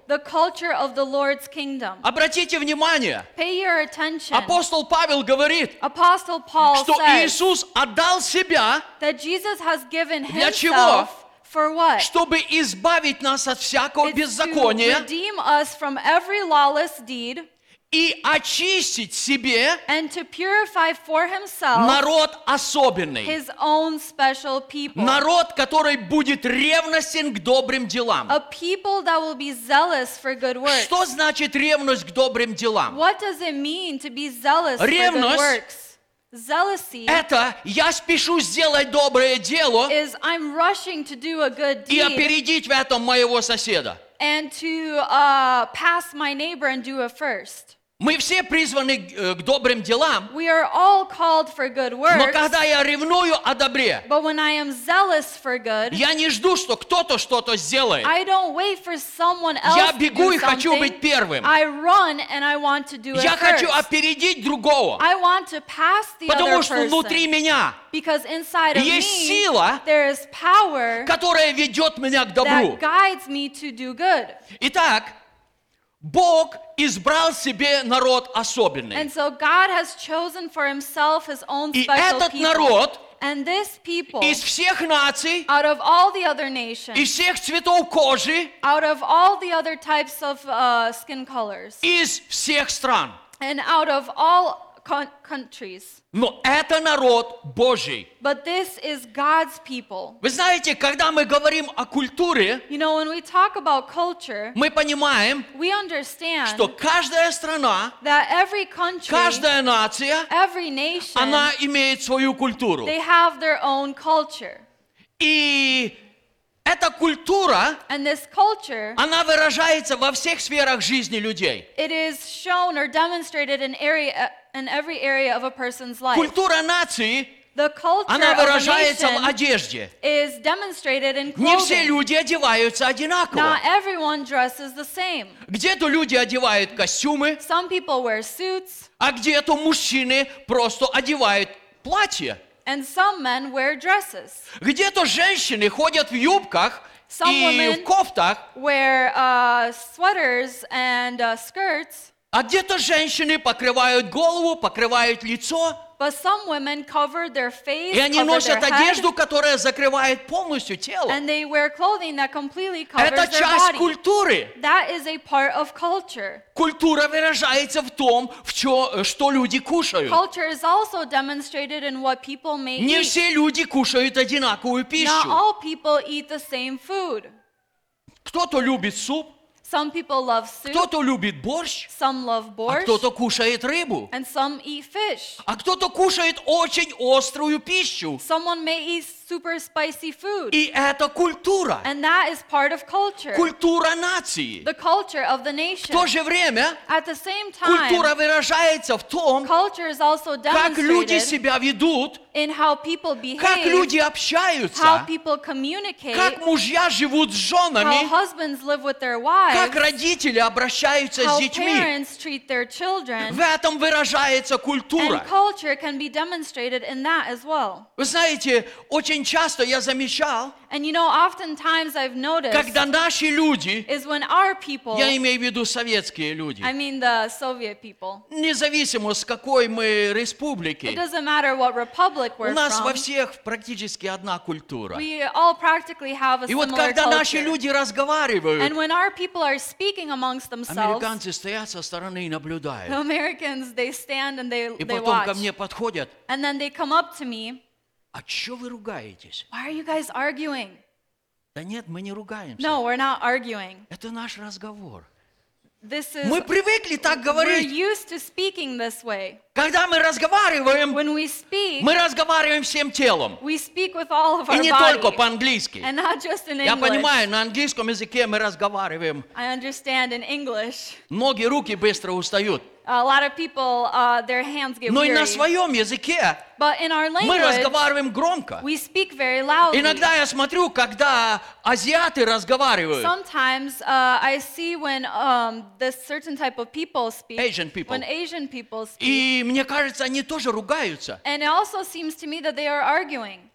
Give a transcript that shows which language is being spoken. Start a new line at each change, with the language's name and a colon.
English: The culture of the Lord's kingdom.
Russian: Обратите внимание.
English: Pay your attention.
Russian: Апостол Павел говорит,
English: Apostle Paul
Russian: что
English: says,
Russian: Иисус отдал себя
English: that Jesus has given himself
Russian: для чего?
English: For what?
Russian: Чтобы избавить нас от всякого
English: It's
Russian: беззакония.
English: To redeem us from every lawless deed.
Russian: И очистить себе
English: and to purify for himself
Russian: народ особенный.
English: His own special people.
Russian: Народ, который будет ревностен к добрым делам.
English: A people that will be zealous for good works.
Russian: Что значит ревность к добрым делам?
English: What does it mean to be zealous
Russian: ревность
English: for good works? Zealousy
Russian: это я спешу сделать доброе дело
English: is I'm rushing to do a good deed
Russian: и опередить в этом моего соседа.
English: And to pass my neighbor and do it first.
Russian: Мы все призваны к добрым делам.
English: We are all called for good works.
Russian: Но когда я ревную о добре,
English: but when I am zealous for good,
Russian: я не жду, что кто-то что-то сделает.
English: I don't wait for someone else.
Russian: Я бегу и хочу быть первым.
English: I run and I want to do it first.
Russian: Я хочу опередить другого.
English: I want to pass the other person.
Russian: Потому что внутри меня
English: because inside of
Russian: есть
English: me,
Russian: сила,
English: there is power,
Russian: которая ведет меня к добру.
English: That guides me to do good.
Russian: Итак, Бог избрал себе народ особенный.
English: And so God has chosen for himself his own
Russian: и
English: special
Russian: этот
English: people.
Russian: Народ
English: and this people,
Russian: из всех наций,
English: out of all the other nations,
Russian: из всех цветов кожи,
English: out of all the other types of skin colors,
Russian: из всех стран,
English: and out of all countries.
Russian: Но это народ Божий.
English: But this is God's people.
Russian: Вы знаете, когда мы говорим о культуре,
English: you know, when we talk about culture,
Russian: мы понимаем,
English: we understand
Russian: что каждая страна,
English: that every country,
Russian: каждая нация,
English: every nation,
Russian: она имеет свою культуру.
English: They have their own culture.
Russian: И эта культура,
English: and this culture,
Russian: она выражается во всех сферах жизни людей.
English: It is shown or demonstrated in area in every area of a person's life.
Russian: Культура нации,
English: the culture
Russian: она выражается в одежде.
English: Is demonstrated in clothing.
Russian: Не все люди одеваются одинаково.
English: Not everyone dresses the same.
Russian: Где-то люди одевают костюмы.
English: Some people wear suits.
Russian: А где-то мужчины просто одевают платья.
English: And some men wear dresses.
Russian: Где-то женщины ходят в юбках
English: some
Russian: и в кофтах.
English: Wear sweaters and skirts.
Russian: А где-то женщины покрывают голову, покрывают лицо.
English: But some women cover their face,
Russian: и они
English: cover
Russian: носят
English: their
Russian: одежду,
English: head,
Russian: которая закрывает полностью тело.
English: And they wear clothing that completely covers
Russian: это часть
English: their body.
Russian: Культуры.
English: That is a part of culture.
Russian: Культура выражается в том, что люди кушают.
English: Culture is also demonstrated in what people may
Russian: не
English: eat.
Russian: Все люди кушают одинаковую пищу.
English: Not all people eat the same food.
Russian: Кто-то любит суп.
English: Some people love soup.
Russian: Кто-то любит борщ.
English: Some love borscht.
Russian: А кто-то кушает рыбу.
English: And some eat fish.
Russian: А кто-то кушает очень острую пищу.
English: Someone may eat super spicy food.
Russian: И это культура.
English: And that is part of culture.
Russian: Культура нации.
English: The culture of the nation.
Russian: В то же время,
English: at the same time,
Russian: культура выражается в том,
English: culture is also demonstrated,
Russian: как люди себя ведут,
English: in how people behave,
Russian: как люди общаются,
English: how people communicate,
Russian: как мужья живут с женами,
English: how husbands live with their wives,
Russian: как родители обращаются с детьми. В этом выражается культура.
English: And culture can be demonstrated in that as well.
Russian: Вы знаете, очень часто я замечал,
English: and you know, oftentimes I've noticed,
Russian: когда наши люди,
English: is when our people,
Russian: я имею в виду советские люди,
English: I mean the Soviet people,
Russian: независимо с какой мы республики,
English: it doesn't matter what republic we're
Russian: у нас
English: from,
Russian: во всех практически одна культура.
English: We all practically have a similar
Russian: и вот когда
English: culture.
Russian: Наши люди разговаривают,
English: and when our people are speaking amongst themselves,
Russian: американцы стоят со стороны и наблюдают.
English: The Americans, they stand and they,
Russian: и потом
English: they watch.
Russian: Ко мне подходят,
English: and then they come up to me.
Russian: А чё вы ругаетесь?
English: Why are you guys arguing?
Russian: Да нет, мы не ругаемся.
English: No, we're not arguing.
Russian: Это наш разговор.
English: This is,
Russian: мы привыкли так говорить.
English: We're used to speaking this way.
Russian: Когда мы разговариваем,
English: when we speak,
Russian: мы разговариваем всем телом.
English: We speak with all of
Russian: и не
English: our
Russian: только
English: body,
Russian: по-английски.
English: And not just in English.
Russian: Я понимаю, на английском языке мы разговариваем.
English: I understand in English.
Russian: Ноги, руки быстро устают.
English: A lot of people, their hands get
Russian: но
English: weary.
Russian: И на своем языке
English: language,
Russian: мы разговариваем громко.
English: We speak very loudly.
Russian: Иногда я смотрю, когда азиаты разговаривают.
English: Sometimes I see when this certain type of people speak. Asian people. When Asian people speak.
Russian: И мне кажется, они тоже ругаются.
English: And it also seems to me that they are arguing.